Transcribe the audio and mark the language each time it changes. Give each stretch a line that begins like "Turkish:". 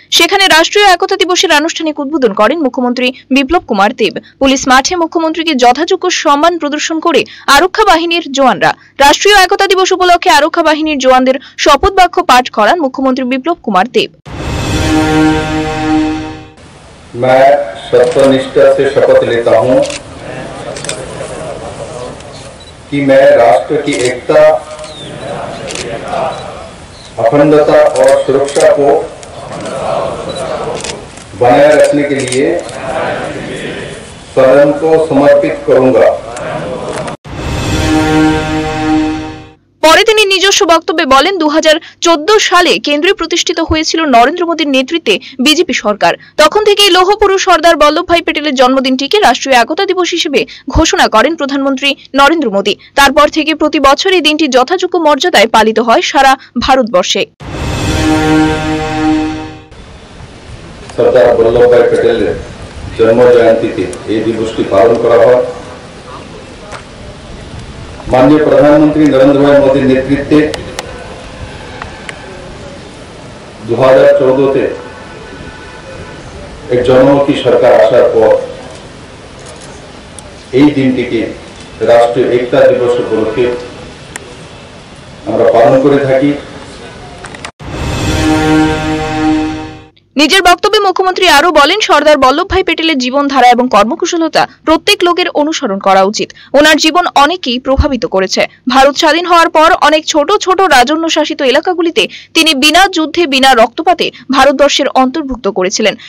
Bangla: সেখানে রাষ্ট্রীয় একতা দিবসের আনুষ্ঠানিক উদ্বোধন করেন মুখ্যমন্ত্রী বিপ্লব কুমার দেব। পুলিশ মাঠে মুখ্যমন্ত্রীকে যথাযোগ্য সম্মান প্রদর্শন করে আরক্ষা বাহিনীর জওয়ানরা। রাষ্ট্রীয় একতা দিবস উপলক্ষে আরক্ষা বাহিনীর জওয়ানদের শপথ বাক্য পাঠ করান মুখ্যমন্ত্রী বিপ্লব কুমার দেব।
Hindi: मैं सत्यनिष्ठा से शपथ लेता हूं कि मैं राष्ट्र की एकता, अखंडता और सुरक्षा को बनाए रखने के लिए सदन को समर्पित करूंगा।
Bangla: পরে তিনি নিজস্ব বক্তব্যে বলেন, 2014 সালে কেন্দ্রে প্রতিষ্ঠিত হয়েছিল নরেন্দ্র মোদীর নেতৃত্বে বিজেপি সরকার। তখন থেকেই লৌহপুরুষ সর্দার বল্লভভাই প্যাটেলের জন্মদিনটিকে রাষ্ট্রীয় একতা দিবস হিসেবে ঘোষণা করেন প্রধানমন্ত্রী নরেন্দ্র মোদী। তারপর থেকে প্রতি বছর এই দিনটি যথাযোগ্য মর্যাদায় পালিত হয় সারা ভারতবর্ষে। সর্দার বল্লভভাই প্যাটেলের জন্মজয়ন্তীতে এই দিবসটি পালন করা হয়।
Hindi: माननीय प्रधानमंत्री नरेंद्र भाई मोदी नेतृत्व 2014 ते एक जनों की सरकार आसार पर यह दिन की राष्ट्रीय एकता दिवस उपलक्षे हमरा पालन करे थाकी।
Bangla: নিজের বক্তব্যে মুখ্যমন্ত্রী আরও বলেন, সর্দার বল্লভভাই প্যাটেলের জীবনধারা এবং কর্মকুশলতা প্রত্যেক লোকের অনুসরণ করা উচিত। ওনার জীবন অনেকেই প্রভাবিত করেছে। ভারত স্বাধীন হওয়ার পর অনেক ছোট ছোট রাজন্য শাসিত এলাকাগুলিতে তিনি বিনা যুদ্ধে বিনা রক্তপাতে ভারতবর্ষের অন্তর্ভুক্ত করেছিলেন।